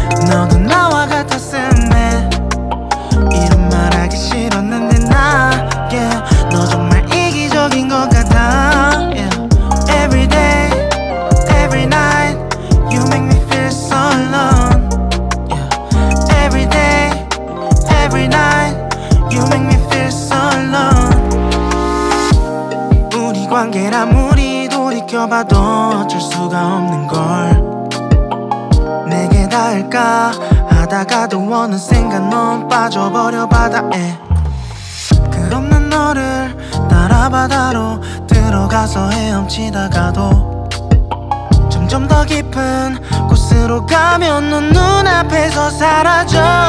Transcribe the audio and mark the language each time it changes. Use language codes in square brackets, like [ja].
[ko] 너도 나와 같았음에 이런 말하기 싫었는데 나 너 정말 이기적인 것 같아. [en] Every day, every night you make me feel so alone. Every day, every night you make me feel so alone. [ko] 우리 관계를 아무리 돌이켜봐도 어쩔 수가 없는 걸. 내게 닿을까 하다가도 어느 순간 넌 빠져버려 바다에. 그럼 난 너를 따라 바다로 들어가서 헤엄치다가도 점점 더 깊은 곳으로 가면 넌 눈앞에서 사라져.